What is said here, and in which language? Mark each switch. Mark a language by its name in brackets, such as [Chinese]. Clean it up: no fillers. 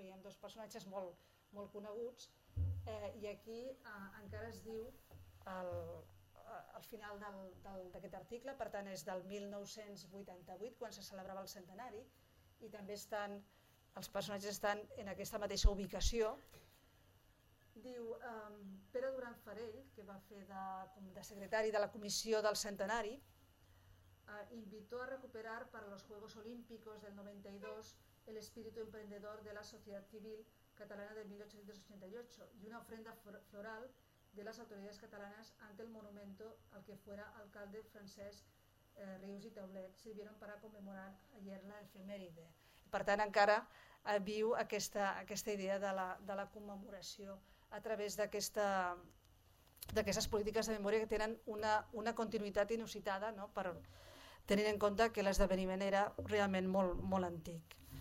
[Catalan] Veiem dos personatges molt, molt coneguts i aquí encara es diu al final d'aquest article, per tant és del 1988 quan se celebrava el centenari i també els personatges estan en aquesta mateixa ubicació. Diu Pere Duran Farell, que va fer de secretari de la comissió del centenari, [Spanish] invitó a recuperar para los Juegos Olímpicos del 92 el espíritu emprendedor de la sociedad civil catalana de 1888 y una ofrenda floral de las autoridades catalanas ante el monumento al que fuera alcalde francés Rius i Taulet sirvieron para conmemorar ayer la efeméride. [Catalan] Per tant, encara viu aquesta idea de la commemoració a través d'aquestes polítiques de memòria que tenen una continuïtat inusitada, no?, per tenint en compte que l'esdeveniment era realment molt, molt antic.